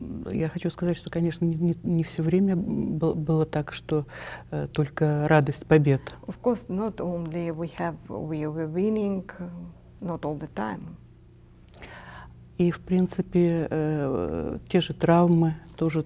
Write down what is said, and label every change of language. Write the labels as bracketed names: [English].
[Russian] Я хочу сказать, что, конечно, не все время было так, что только радость побед. [English] Of course, not only we were winning, not all the time. [Russian] И, в принципе, те же травмы, тоже